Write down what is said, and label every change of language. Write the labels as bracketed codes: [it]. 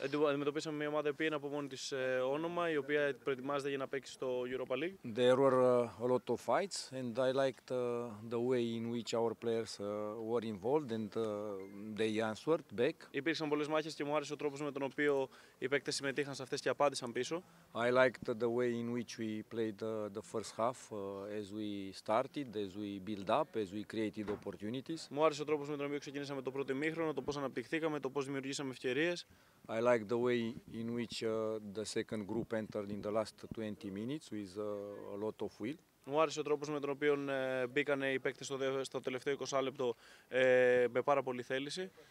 [el] Αντιμετωπίσαμε μια ομάδα που είναι από μόνη της όνομα, η οποία προετοιμάζεται για να παίξει στο Europa League. [en] There were a lot of fights and I liked the way in which our players were involved and they answered back. [el] Υπήρξαν πολλές μάχες και μου άρεσε ο τρόπος με τον οποίο οι παίκτες συμμετείχαν σε αυτές και απάντησαν πίσω. [en] I liked the way in which we played the first half as we started, as we build up, as we created opportunities. [el] Μου άρεσε ο τρόπος με τον οποίο ξεκινήσαμε το πρώτο ημίχρονο, το πώς αναπτυχθήκαμε, το πώς δημιουργήσαμε ευκαιρίες. [en] I like the way in which the second group entered in the last 20 minutes with a lot of will. [el] Μου άρεσε ο τρόπος με τον οποίο μπήκαν οι παίκτες στο τελευταίο 20 λεπτό με πάρα πολύ θέληση.